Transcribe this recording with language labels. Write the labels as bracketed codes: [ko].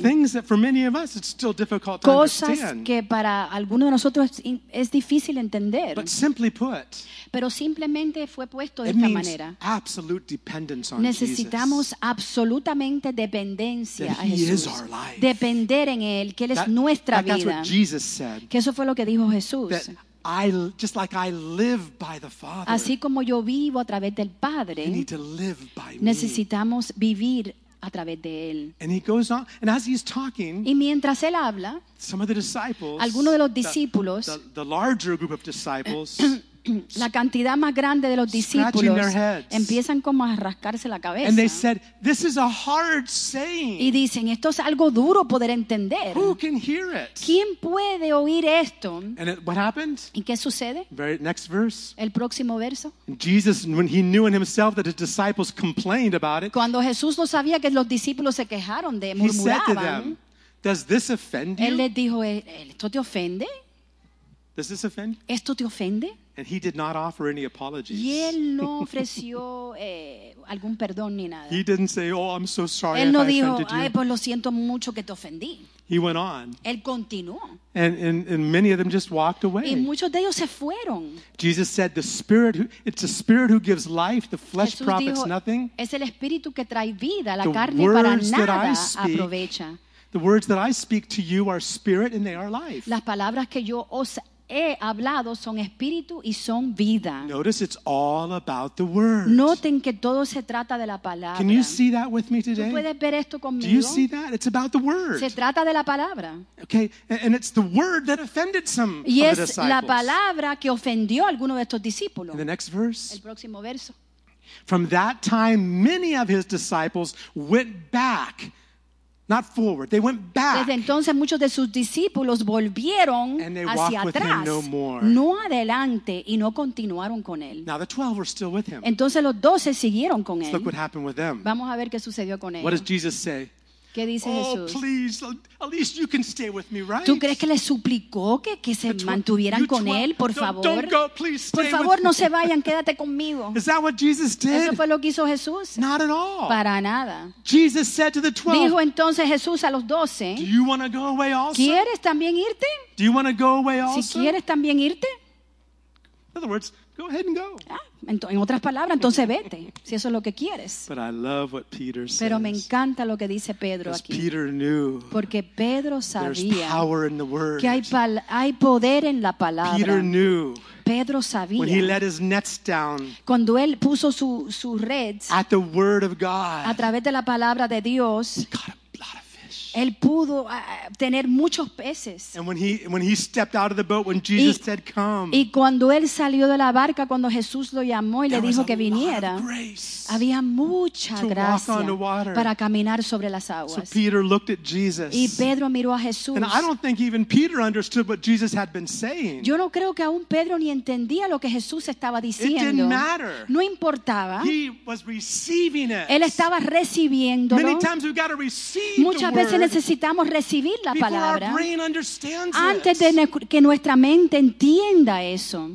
[en] Things that for many of us it's still difficult to [es] cosas [en] understand. [es] Cosas que para algunos de nosotros es difícil entender. [en] But simply put, [es] pero simplemente fue puesto de [en] it [es] esta [en] means [es] manera. [en] Absolute dependence on [es] necesitamos [en] Jesus. [es] Absolutamente dependencia [en] that [es] a Jesús. [en] He is our life. [es] Depender en él, que él [en] that, [es] es nuestra [en] like [es] vida. [en] That's what Jesus said. [es] Que eso fue lo que dijo Jesús. [en] That I, just like I live by the Father, [es] así como yo vivo a través del Padre, [en] you need to live by [es] necesitamos [en] me. [es] Vivir a través de Él. [en] And he goes on, and as he's talking, [es] y mientras Él habla, [en] some of the disciples, [es] algunos de los discípulos, [en] the larger group of disciples, [es] la cantidad más grande de los discípulos empiezan como a rascarse la cabeza. [en] And they said, this is a hard saying. [es] Y dicen, esto es algo duro poder entender. [en] Who can hear it? [es] ¿Quién puede oír esto? [en] And it, what happened? [es] ¿Y qué sucede? [en] Very, next verse. [es] El próximo verso. [en] Jesus, when he knew in himself that his disciples complained about it, [es] cuando Jesús lo sabía que los discípulos se quejaron de murmuraban, [en] he said to them, does this offend you? [es] Él les dijo, ¿esto te ofende? [en] Does this offend? [es] ¿Esto te ofende? [en] And he did not offer any apologies. [es] Y él no ofreció algún perdón ni nada. [en] He didn't say, "Oh, I'm so sorry [es] él no [en] if [es] dijo, [en] I offended you." [es] Ay, pues lo siento mucho que te ofendí. [en] He went on. [es] Él continuó. [en] And many of them just walked away. [es] Y muchos de ellos se fueron. [en] Jesus said, "The Spirit, it's the Spirit who gives life; the flesh [es] Jesús [en] profits [es] dijo, [en] nothing." [es] Es el Espíritu que trae vida, la [en] the [es] carne para nada aprovecha. [en] The words that I speak to you are Spirit, and they are life. [es] Las palabras que yo os he hablado son espíritu y son vida. [en] Notice it's all about the word. [es] Noten que todo se trata de la palabra. [en] Can you see that with me today? [es] ¿Tú puedes ver esto conmigo? [en] Do you see that? It's about the word. [es] Se trata de la palabra. [en] Okay, and it's the word that offended some [es] y [en] of [es] es [en] the disciples. [es] La palabra que ofendió a alguno de estos discípulos. [en] In the next verse. [es] El próximo verso. [en] From that time many of his disciples went back. Not forward. They went back. [es] Desde entonces muchos de sus discípulos volvieron hacia atrás. No adelante y no continuaron con él. [en] Now the 12 were still with him. [es] Entonces los 12 siguieron con él. [en] Look what happened with them. [es] Vamos a ver qué sucedió con ellos. [en] What does Jesus say? [es] ¿Qué dice oh, Jesús? [en] Oh, please, at least you can stay with me, right? [es] ¿Tú crees que le suplicó que se mantuvieran con él, por [en] don't, [es] favor? [en] Don't go, please stay [es] por favor, [en] with [es] no [en] me. [es] Se vayan, quédate conmigo. [en] Is that what Jesus did? [es] ¿Eso fue lo que hizo Jesús? [en] Not at all. [es] Para nada. [en] Jesus said to the 12, [es] dijo entonces Jesús a los 12, [en] do you want to go away also? [es] ¿Quieres también irte? [en] Do you want to go away also? [es] ¿Si quieres también irte? [en] In other words, go ahead and go. [es] En otras palabras, entonces vete, si eso es lo que quieres. [en] But I love what Peter says. [es] Pero me encanta lo que dice Pedro aquí. [en] Peter knew [es] porque Pedro sabía [en] there's power in the word. [es] Que hay poder en la palabra. [en] Peter knew [es] Pedro sabía [en] when he let his nets down [es] cuando él puso su red [en] at the word of God, [es] a través de la palabra de Dios. Él pudo tener muchos peces. [en] And when he stepped out of the boat when Jesus said come. [es] Y cuando él salió de la barca cuando Jesús lo llamó y le dijo que viniera. Había mucha gracia para caminar sobre las aguas. [en] So Peter looked at Jesus. [es] Y Pedro miró a Jesús. [en] And I don't think even Peter understood what Jesus had been saying. [es] Yo no creo que aún Pedro ni entendía lo que Jesús estaba diciendo. [en] It didn't matter. [es] No importaba. [en] He was receiving it. [es] Él estaba recibiéndolo. [en] Many times we've got to receive [es] muchas veces necesitamos recibir la palabra [en] before our brain understands [es] antes de que nuestra mente entienda eso.